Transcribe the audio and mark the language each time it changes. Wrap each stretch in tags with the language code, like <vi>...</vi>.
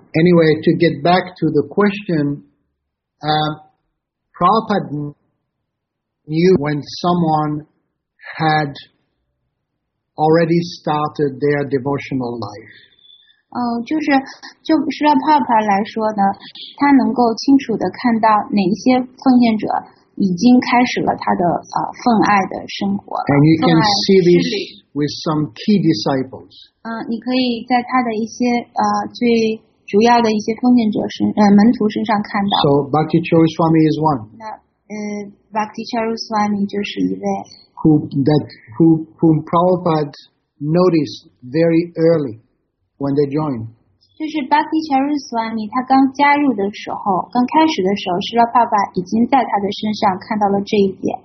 <en>Anyway, to get back to the question, Prabhupada knew when someone had already started their devotional life.</en> <zh>就是Srila Prabhupada 来说呢，他能够清楚的看到哪一些奉献者已经开始了他的奉爱的生活。</zh> <en>And you can see this with some key disciples.</en> <zh>你可以在他的一些最主要的一些奉献者门徒身上看到。</zh> <en>So Bhakti Chaturaswami is one.</en> <zh>那Bhakti Chaturaswami 就是一位。</zh> <en>Whom Prabhupada noticed very early when they joined.</en> <zh>就是 Bhakti Chaturaswami 他刚加入的时候，刚开始的时候，Srila Prabhupada 已经在他的身上看到了这一点。</zh>